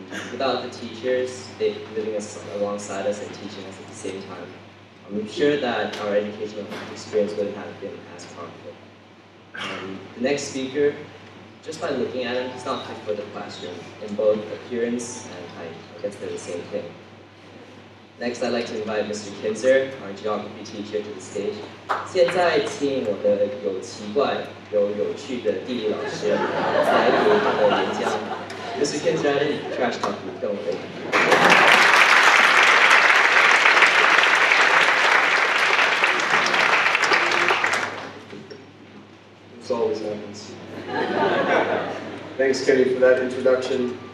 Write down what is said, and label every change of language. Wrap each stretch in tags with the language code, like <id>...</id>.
<en>Without the teachers, they living alongside us and teaching us at the same time, I'm sure that our educational experience wouldn't have been as powerful. The next speaker, just by looking at him, he's not fit for the classroom in both appearance and height. I guess they're the same thing. Next, I'd like to invite Mr. Kinzer, our geography teacher, to the stage.</en> <zh>现在请我的有奇怪又有趣的地理老师来给我们演讲。Mr.</zh> <en>Kinzer, I didn't trash talk you, don't worry. This always happens. Thanks, Kenny, for that introduction.</en>